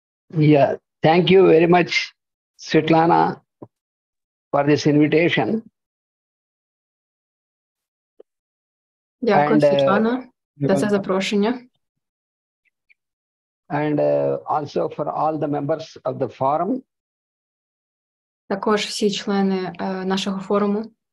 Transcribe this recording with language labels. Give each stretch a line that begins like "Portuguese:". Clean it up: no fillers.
English: Yeah, thank you very much, Svetlana, for this invitation.
Ukrainian: Дякую, Світлана, за це запрошення.
English: And also for all the members of the forum.
Ukrainian: Також всі члени нашого форуму.